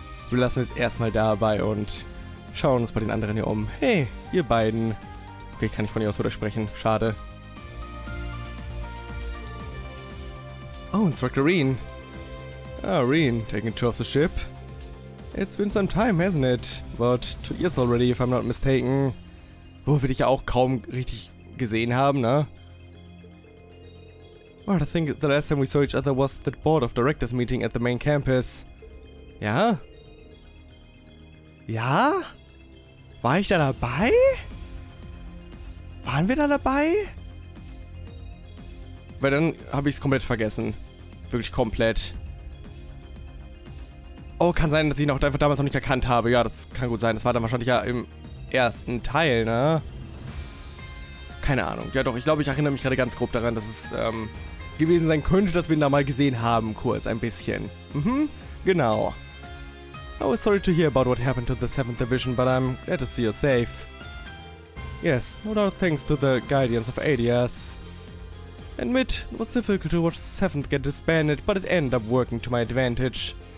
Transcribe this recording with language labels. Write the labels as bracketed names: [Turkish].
[German] Wir lassen es erstmal dabei und schauen uns bei den anderen hier um. Hey, ihr beiden. Okay, ich kann nicht von ihr aus widersprechen. Schade. [English] Oh, Inspector Reen. Ah, Reen, taking two of the ship. It's been some time, hasn't it? About 2 years already, if I'm not mistaken. [German] Wo wir dich ja auch kaum richtig gesehen haben, ne? [English] Well, I think the last time we saw each other was that board of directors meeting at the main campus. [German] Ja? Ja? War ich da dabei? Waren wir da dabei? Weil dann habe ich es komplett vergessen. Wirklich komplett. Oh, kann sein, dass ich ihn auch einfach damals noch nicht erkannt habe. Ja, das kann gut sein. Das war dann wahrscheinlich ja im ersten Teil, ne? Keine Ahnung. Ja doch, ich glaube, ich erinnere mich gerade ganz grob daran, dass es gewesen sein könnte, dass wir ihn da mal gesehen haben, kurz ein bisschen. Mhm, genau. [English] Oh, sorry to hear about what happened to the 7th Division, but I'm glad to see you safe. Yes, no doubt thanks to the guidance of ADS. Admit, it was difficult to watch the 7th get disbanded, but it ended up working to my advantage.